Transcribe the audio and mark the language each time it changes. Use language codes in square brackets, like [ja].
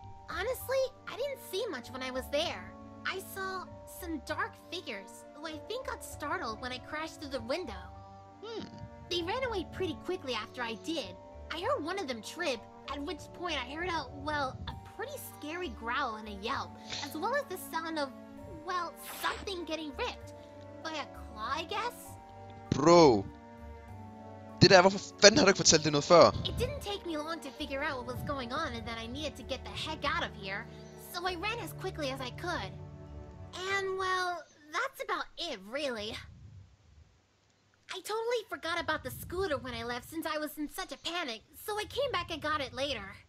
[en] Honestly, I didn't see much when I was there. I saw some dark figures who I think got startled when I crashed through the window. Hmm. They ran away pretty quickly after I did. I heard one of them trip, at which point I heard a pretty scary growl and a yelp, as well as the sound of, something getting ripped. By a claw, I guess? Bro. [da] Det der, hvorfor fanden har du ikke fortalt det noget før? [en] It didn't take me long to figure out what was going on and that I needed to get the heck out of here. So I ran as quickly as I could. And, that's about it, really. I totally forgot about the scooter when I left since I was in such a panic, so I came back and got it later.